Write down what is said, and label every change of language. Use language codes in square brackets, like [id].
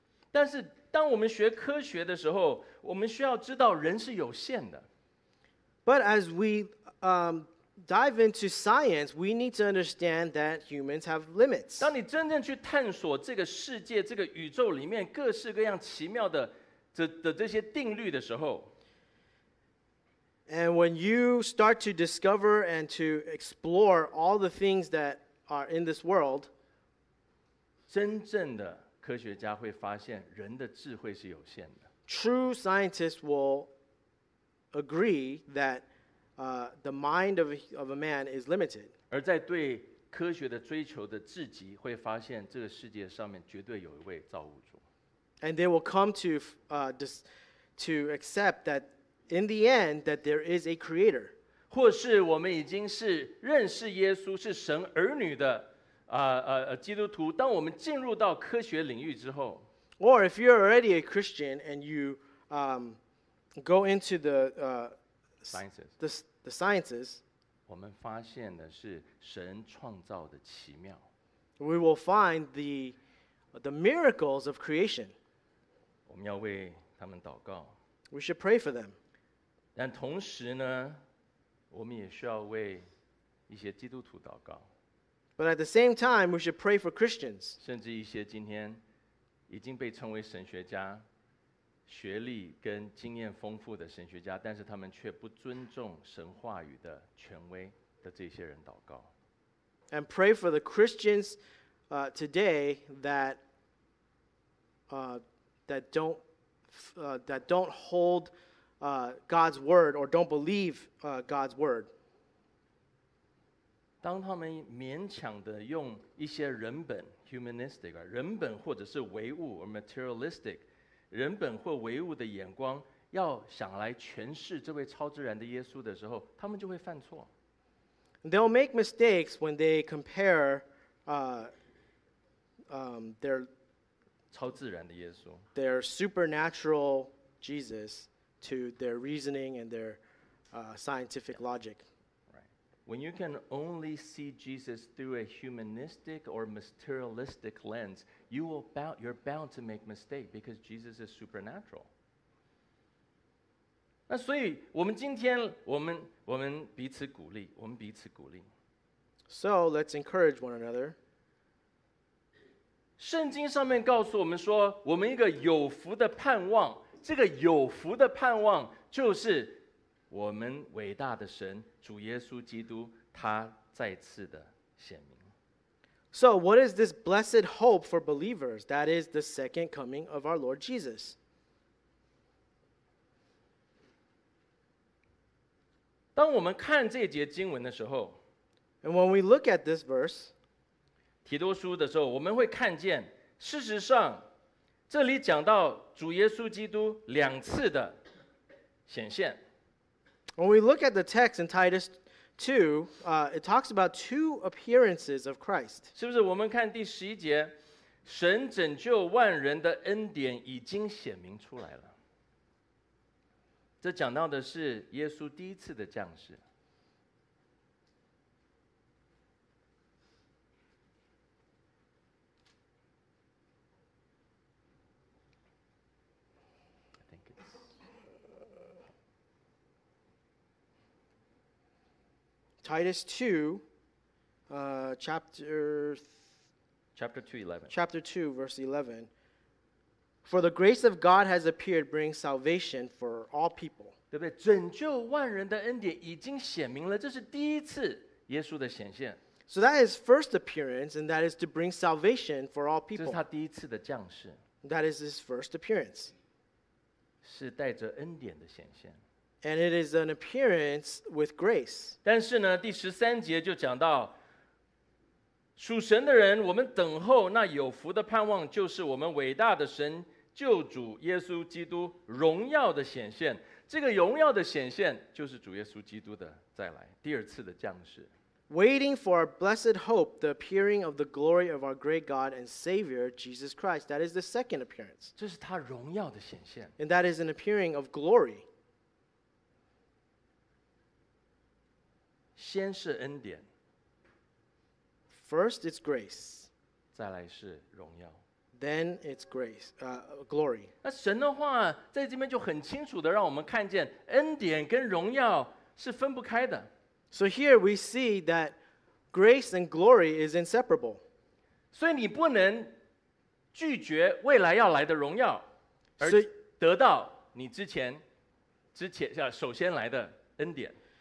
[zh] 但是当我们学科学的时候，我们需要知道人是有限的。 [en] But as we dive into science, we need to understand that humans have limits. [zh] 当你真正去探索这个世界、这个宇宙里面各式各样奇妙的这些定律的时候 [en] ，And when you start to discover and to explore all the things that are in this world, [zh] 真正的科学家会发现人的智慧是有限的。 [en] True scientists will agree that the mind of a man is limited. [zh] 而在对科学的追求的至极，会发现这个世界上面绝对有一位造物主。 [en] And they will come to accept that in the end that there is a creator. [zh] 或是我们已经是认识耶稣是神儿女的。基督徒，当我们进入到科学领域之后 [en] ，Or if you're already a Christian and you go into the sciences， [zh] 我们发现的是神创造的奇妙。 [en] We will find the miracles of creation。 [zh] 我们要为他们祷告。 [en] We should pray for them。 [zh] 但同时呢，我们也需要为一些基督徒祷告。 [en] But at the same time, we should pray for Christians. [zh] 甚至一些今天已经被称为神学家，学历跟经验丰富的神学家，但是他们却不尊重神话语的权威的这些人祷告。 [en] And pray for the Christians today that don't hold God's word or don't believe God's word. [zh] 当他们勉强的用一些人本 [en] humanistic [zh] 人本或者是唯物 [en] or materialistic [zh] 人本或唯物的眼光要想来诠释这位超自然的耶稣的时候，他们就会犯错。 [en] They'll make mistakes when they compare their [zh] 超自然的耶稣 [en] their supernatural Jesus to their reasoning and their scientific logic. When you can only see Jesus through a humanistic or materialistic lens, you're bound to make mistakes because Jesus is supernatural. [zh] 那所以我们今天我们彼此鼓励，我们彼此鼓励。 [en] So let's encourage one another. [zh] 圣经上面告诉我们说，我们一个有福的盼望，这个有福的盼望就是。我们伟大的神主耶稣基督他再次的显明。 [en] So what is this blessed hope for believers? That is the second coming of our Lord Jesus. [zh] 当我们看这节经文的时候 [en] And when we look at this verse, [zh] 提多书的时候我们会看见事实上这里讲到主耶稣基督两次的显现。 [en] When we look at the text in Titus 2, it talks about two appearances of Christ. [zh] 是不是我们看第十一节，神拯救万人的恩典已经显明出来了。这讲到的是耶稣第一次的降世。 [en] Titus 2, chapter 2, verse 11. For the grace of God has appeared, bringing salvation for all people. [zh] 对不对？拯救万人的恩典已经显明了，这是第一次耶稣的显现。 [en] So that is first appearance, and that is to bring salvation for all people. [zh] 这是他第一次的降世。 [en] That is his first appearance. [zh] 是带着恩典的显现。 [en] And it is an appearance with grace. [zh] 但是呢，第十三节就讲到，属神的人，我们等候那有福的盼望，就是我们伟大的神救主耶稣基督荣耀的显现。这个荣耀的显现就是主耶稣基督的再来，第二次的降世。 [en] Waiting for our blessed hope, the appearing of the glory of our great God and Savior, Jesus Christ. That is the second appearance. [zh] 这是他荣耀的显现。 [en] And that is an appearing of glory. [zh] 先是恩典。 [en] First, it's grace. [zh] 再来是荣耀。 [en] Then it's grace, glory. [zh] 那神的话在这边就很清楚的让我们看见恩典跟荣耀是分不开的。 [en] So here we see that grace and glory is inseparable. [zh] 所以你不能拒绝未来要来的荣耀，而得到你之前首先来的恩典。